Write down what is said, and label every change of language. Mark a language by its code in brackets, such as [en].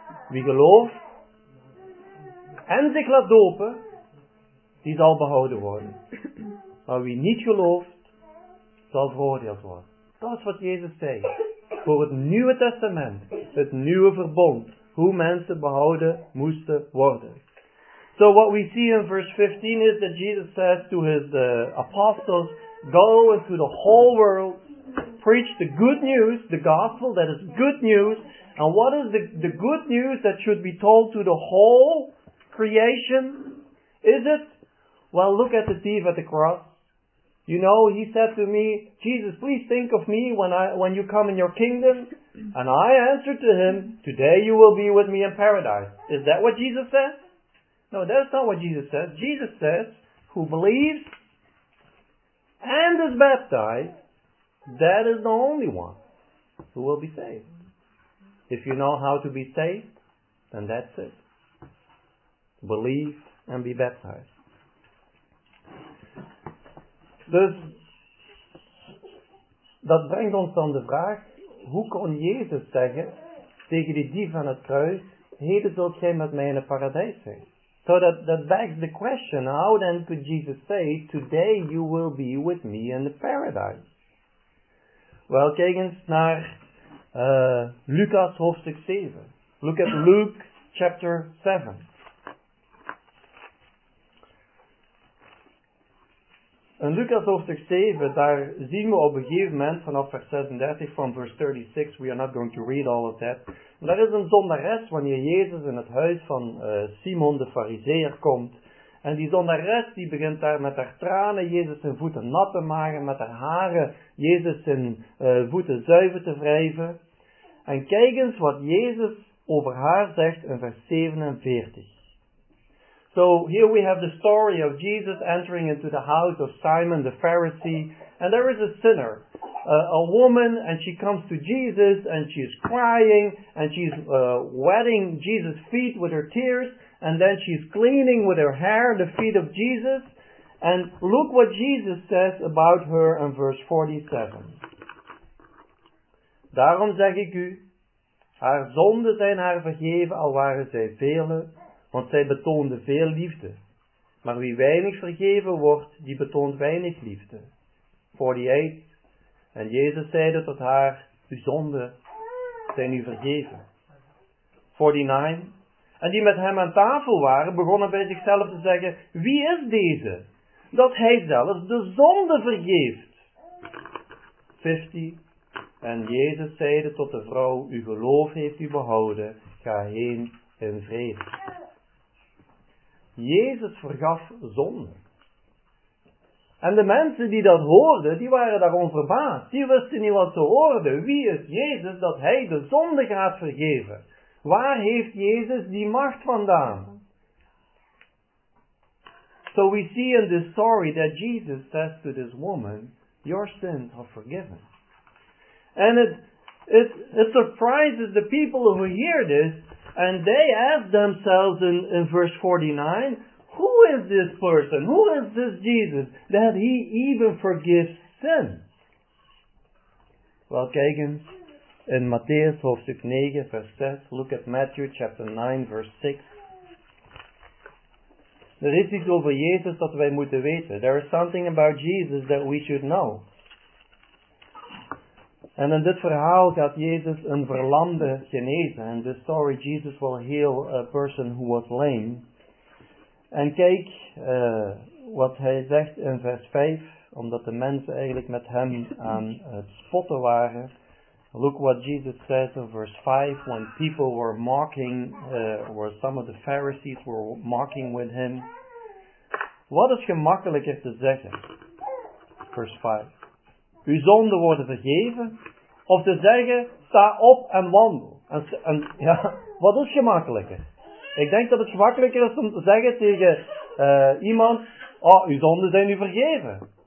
[nl] Wie gelooft en zich laat dopen, die zal behouden worden. Maar wie niet gelooft, zal veroordeeld worden. Dat is wat Jezus zei. Voor het Nieuwe Testament, het Nieuwe Verbond, hoe mensen behouden moesten worden. [en] So what we see in verse 15 is that Jesus says to his apostles, go into the whole world, preach the good news, the gospel, that is good news. And what is the good news that should be told to the whole creation? Is it? Well, look at the thief at the cross. You know, he said to me, Jesus, please think of me when you come in your kingdom. And I answered to him, today you will be with me in paradise. Is that what Jesus said? No, that's not what Jesus says. Jesus says, who believes and is baptized, that is the only one who will be saved. If you know how to be saved, then that's it. Believe and be baptized. [nl] Dus, dat brengt ons dan de vraag, hoe kon Jezus zeggen tegen die dief aan het kruis, heden zult gij met mij in het paradijs zijn? [en] So that begs the question, how then could Jesus say, today you will be with me in the paradise? [nl] Well, kijk eens naar Lucas hoofdstuk 7. [en] Look at Luke chapter 7. [nl] In Lucas hoofdstuk 7, daar zien we op een gegeven moment, vanaf vers 36, van vers 36, [en] we are not going to read all of that. [nl] Er is een zondares wanneer Jezus in het huis van Simon de Fariseer komt. En die zondares die begint daar met haar tranen Jezus zijn voeten nat te maken, met haar haren Jezus zijn voeten zuiver te wrijven. En kijk eens wat Jezus over haar zegt in vers 47. [en] So here we have the story of Jesus entering into the house of Simon the Pharisee. And there is a sinner, a woman, and she comes to Jesus and she is crying and she's wetting Jesus' feet with her tears. And then she's cleaning with her hair the feet of Jesus. And look what Jesus says about her in verse 47. [nl] Daarom zeg ik u, haar zonden zijn haar vergeven, al waren zij vele, want zij betoonde veel liefde. Maar wie weinig vergeven wordt, die betoont weinig liefde. 48. En Jezus zeide tot haar, uw zonden zijn u vergeven. 49. En die met hem aan tafel waren, begonnen bij zichzelf te zeggen, wie is deze, dat hij zelfs de zonde vergeeft? 50. En Jezus zeide tot de vrouw, uw geloof heeft u behouden, ga heen in vrede. Jezus vergaf zonde. En de mensen die dat hoorden, die waren daarom verbaasd. Die wisten niet wat ze hoorden. Wie is Jezus dat hij de zonde gaat vergeven? Waar heeft Jezus die macht vandaan? [en] So we see in this story that Jesus says to this woman, your sins are forgiven. And it surprises the people who hear this, and they ask themselves in verse 49, who is this person? Who is this Jesus that he even forgives sin? [nl] Well, kijk eens. In Matthäus hoofdstuk 9, vers 6, [en] look at Matthew chapter 9, verse 6. [nl] Er is iets over Jezus dat wij moeten weten. [en] There is something about Jesus that we should know. [nl] En in dit verhaal gaat Jezus een verlamde genezen. [en] In this story, Jesus will heal a person who was lame. [nl] En kijk wat hij zegt in vers 5, omdat de mensen eigenlijk met hem aan het spotten waren. [en] Look what Jesus says in verse 5, when people were mocking, or some of the Pharisees were mocking with him. [nl] Wat is gemakkelijker te zeggen? Verse 5. Uw zonden worden vergeven, of te zeggen, sta op en wandel. En ja, wat is gemakkelijker? Ik denk dat het gemakkelijker is om te zeggen tegen iemand, oh, uw zonden zijn u vergeven.